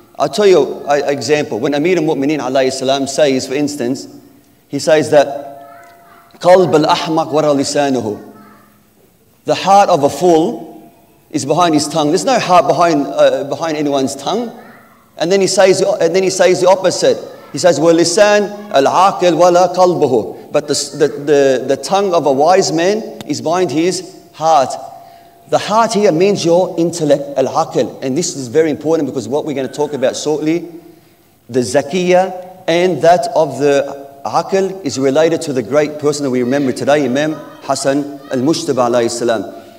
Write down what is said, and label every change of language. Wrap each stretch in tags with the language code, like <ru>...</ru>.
<en>I'll tell you an example. When Amir al-Mu'mineen alayhi salam says, for instance, he says that</en> <ar>قَلْبَ الْأَحْمَقْ وَرَى لِسَانُهُ.</ar> <en>The heart of a fool is behind his tongue. There's no heart behind anyone's tongue. And then he says the opposite. He says,</en> <ar>وَلِسَانْ الْعَاقِلْ وَلَا قَلْبُهُ.</ar> <en>But the tongue of a wise man is behind his heart. The heart here means your intellect, al-aql. And this is very important because what we're going to talk about shortly, the zakiyah and that of the aql is related to the great person that we remember today, Imam Hasan al-Mushtaba alayhi salam.</en>